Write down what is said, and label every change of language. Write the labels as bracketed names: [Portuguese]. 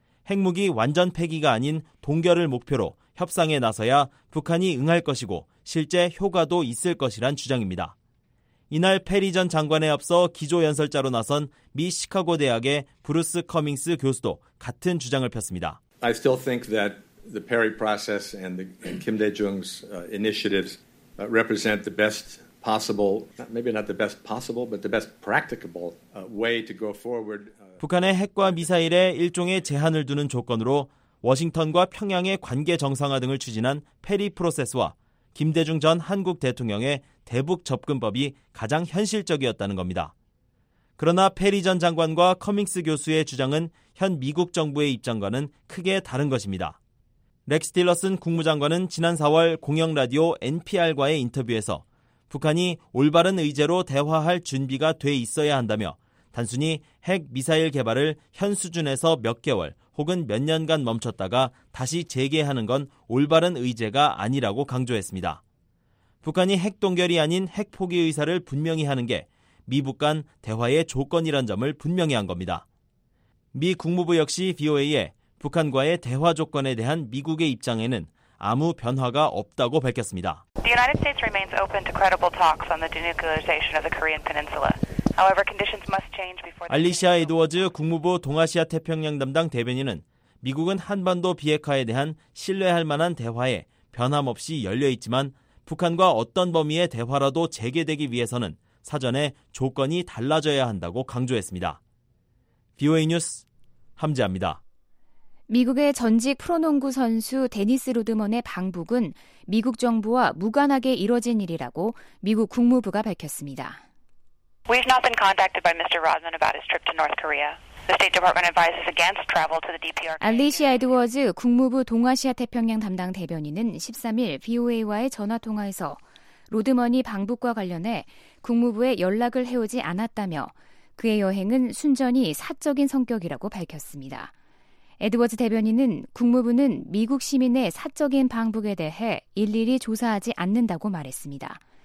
[Korean] 핵무기 완전 폐기가 아닌 동결을 목표로 협상에 나서야 북한이 응할 것이고 실제 효과도 있을 것이란 주장입니다. 이날 페리 전 장관에 앞서 기조연설자로 나선 미 시카고 대학의 브루스 커밍스 교수도 같은 주장을 폈습니다. [English] I still think that the Perry process and the Kim Dae-jung's initiatives represent the best possible, maybe not the best possible, but the best practicable way to go forward. [Korean] 북한의 핵과 미사일에 일종의 제한을 두는 조건으로 워싱턴과 평양의 관계 정상화 등을 추진한 페리 프로세스와 김대중 전 한국 대통령의 대북 접근법이 가장 현실적이었다는 겁니다. 그러나 페리 전 장관과 커밍스 교수의 주장은 현 미국 정부의 입장과는 크게 다른 것입니다. 렉스 틸러슨 국무장관은 지난 4월 공영라디오 NPR과의 인터뷰에서 북한이 올바른 의제로 대화할 준비가 돼 있어야 한다며 단순히 핵미사일 개발을 현 수준에서 몇 개월 혹은 몇 년간 멈췄다가 다시 재개하는 건 올바른 의제가 아니라고 강조했습니다. 북한이 핵 동결이 아닌 핵 포기 의사를 분명히 하는 게 미북 간 대화의 조건이란 점을 분명히 한 겁니다. 미 국무부 역시 VOA에 북한과의 대화 조건에 대한 미국의 입장에는 아무 변화가 없다고 밝혔습니다. [English] The United States remains open to credible talks on the denuclearization of the Korean Peninsula. However, conditions must change before. [Korean] 알리시아 에드워즈 국무부 동아시아 태평양 담당 대변인은 미국은 한반도 비핵화에 대한 신뢰할 만한 대화에 변함없이 열려 있지만 북한과 어떤 범위의 대화라도 재개되기 위해서는 사전에 조건이 달라져야 한다고 강조했습니다. VOA 뉴스 함지아입니다. 미국의 전직 프로농구 선수 데니스 로드먼의 방북은 미국 정부와 무관하게 이뤄진 일이라고 미국 국무부가 밝혔습니다. [English] We've not been contacted by Mr. Rodman about his trip to North Korea. The State Department advises against travel to the DPRK. [Korean] 알리시아 에드워즈 국무부 동아시아 태평양 담당 대변인은 13일 VOA와의 전화 통화에서 로드먼이 방북과 관련해 국무부에 연락을 해오지 않았다며 그의 여행은 순전히 사적인 성격이라고 밝혔습니다. 에드워즈 대변인은 국무부는 미국 시민의 사적인 방북에 대해 일일이 조사하지 않는다고 말했습니다.